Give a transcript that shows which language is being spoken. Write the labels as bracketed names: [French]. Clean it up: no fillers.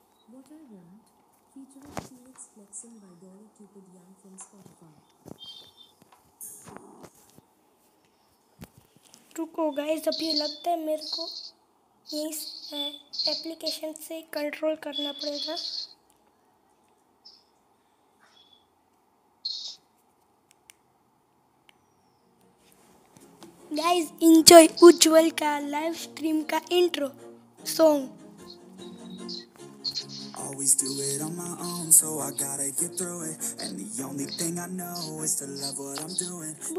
[English] What I Want, featuring Felix Flexen by Dolly Cupid Young from Spotify. [Hindi] रुको guys, अभी लगता है मेरे को इस एप्लीकेशन से कंट्रोल करना पड़ेगा। गाइज इंजॉय उज्ज्वल का लाइव स्ट्रीम का intro song. [English] Always do it on my own, so I gotta get through it. And the only thing I know is to love what I'm doing.